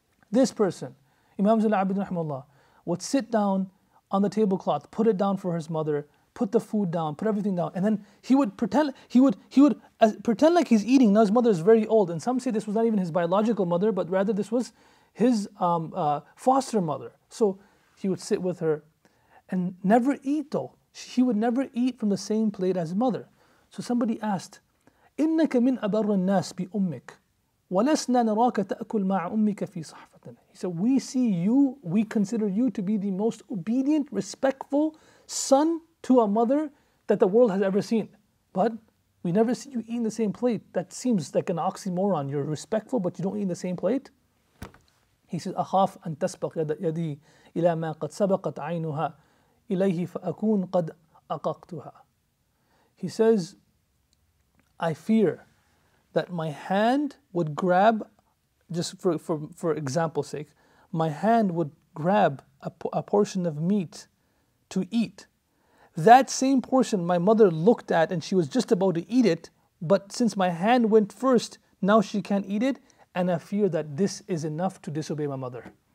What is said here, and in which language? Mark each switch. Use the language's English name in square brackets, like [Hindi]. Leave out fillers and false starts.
[English] This person, Imam Zayn al-Abidin rahimahullah, would sit down on the tablecloth, put it down for his mother, put the food down, put everything down, and then he would pretend like he's eating. Now his mother is very old, and some say this was not even his biological mother, but rather this was his foster mother. So he would sit with her and never eat though. He would never eat from the same plate as his mother. So somebody asked, [Arabic] إِنَّكَ مِنْ أَبَرُّ النَّاسِ بِأُمِّكَ وَلَسْنَا نَرَاكَ تَأْكُلْ مَعَ أُمِّكَ فِي صَحْفَةٍ. [English] He said, we see you, we consider you to be the most obedient, respectful son to a mother that the world has ever seen. But we never see you eating the same plate. That seems like an oxymoron. You're respectful, but you don't eat in the same plate. He says, [Arabic] أَخَافْ أَنْ تَسْبَقْ يَدِي إِلَى مَا قَدْ سَبَقَتْ عَيْنُهَا إِلَيْهِ فَأَكُونْ قَدْ أَقَقْتُهَا. [English] He says, I fear that my hand would grab, just for example's sake, my hand would grab a portion of meat to eat. That same portion my mother looked at and she was just about to eat it, but since my hand went first, now she can't eat it, and I fear that this is enough to disobey my mother.